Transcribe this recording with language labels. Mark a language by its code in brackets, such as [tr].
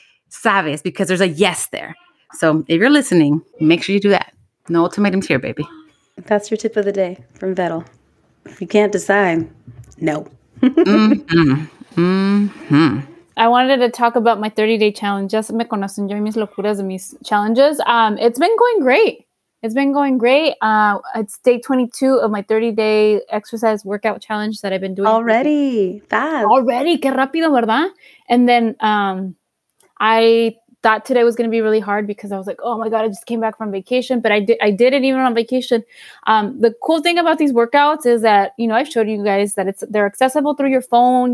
[es] Sabes, [en] because there's a yes there. So if you're listening, make sure you do that. No ultimatums here, baby. That's your tip of the day from Vettel. If you can't decide, no. I wanted to talk about my 30-day challenge. [es] Ya me conocen yo y mis locuras y mis challenges. [en] It's been going great. It's been going great. It's day 22 of my 30-day exercise workout challenge that I've been doing. Already? Fast. Already? [es] Qué rápido, ¿verdad? [en] And then I thought today was going to be really hard because I was like, oh, my God, I just came back from vacation. But I did it even on vacation. The cool thing about these workouts is that, you know, I showed you guys that they're accessible through your phone.